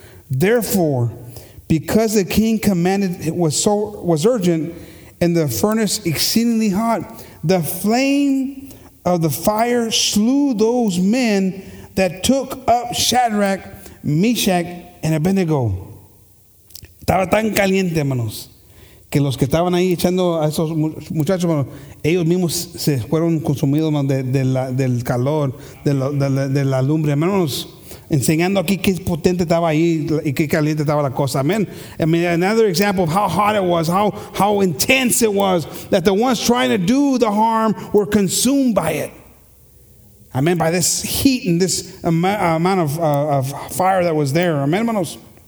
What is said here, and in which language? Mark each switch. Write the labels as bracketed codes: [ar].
[en] Therefore, because the king commanded it was urgent and the furnace exceedingly hot, the flame of the fire slew those men that took up Shadrach, Meshach, and Abednego. [es] Estaba tan caliente, hermanos. Que los que estaban ahí echando a esos muchachos, bueno, ellos mismos se fueron consumidos, ¿no? del calor, de la lumbre. Hermanos, enseñando aquí qué potente estaba ahí y qué caliente estaba la cosa. Amen. [en] I mean, another example of how hot it was, how intense it was, that the ones trying to do the harm were consumed by it. Amen. By this heat and this amount of fire that was there. Amen, hermanos.